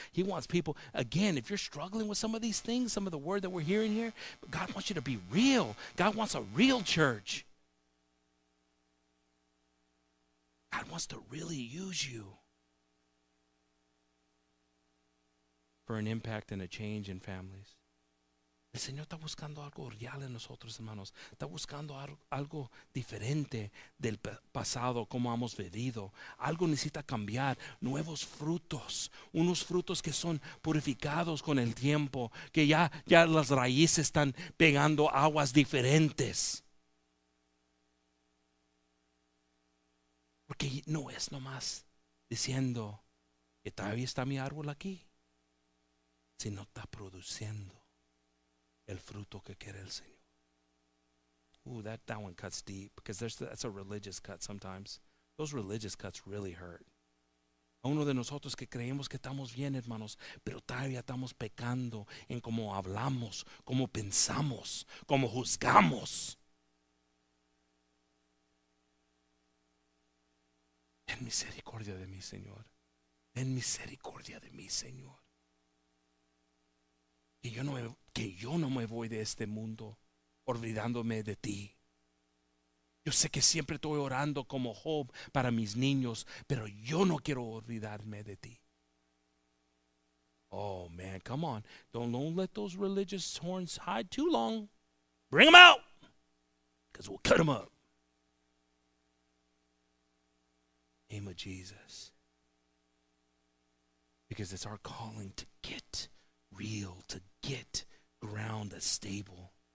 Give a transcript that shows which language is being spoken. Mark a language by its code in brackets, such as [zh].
[en] He wants people, again, if you're struggling with some of these things, some of the word that we're hearing here, God wants you to be real. God wants a real church. God wants to really use you for an impact and a change in families. [es] El Señor está buscando algo real en nosotros, hermanos. Está buscando algo diferente del pasado, como hemos vivido. Algo necesita cambiar. Nuevos frutos. Unos frutos que son purificados con el tiempo. Que ya las raíces están pegando aguas diferentes. Porque no es nomás diciendo que todavía está mi árbol aquí, sino está produciendo el fruto que quiere el Señor. [en] Ooh, that one cuts deep, because that's a religious cut sometimes. Those religious cuts really hurt. [es] Uno de nosotros que creemos que estamos bien, hermanos, pero todavía estamos pecando en cómo hablamos, cómo pensamos, cómo juzgamos. Ten misericordia de mí, Señor. Ten misericordia de mí, Señor. Que yo no me voy de este mundo olvidándome de ti. Yo sé que siempre estoy orando como Job para mis niños, pero yo no quiero olvidarme de ti. [en] Oh, man, come on. Don't let those religious horns hide too long. Bring them out, because we'll cut them up. Name of Jesus. Because it's our calling to get real, to get ground a stable.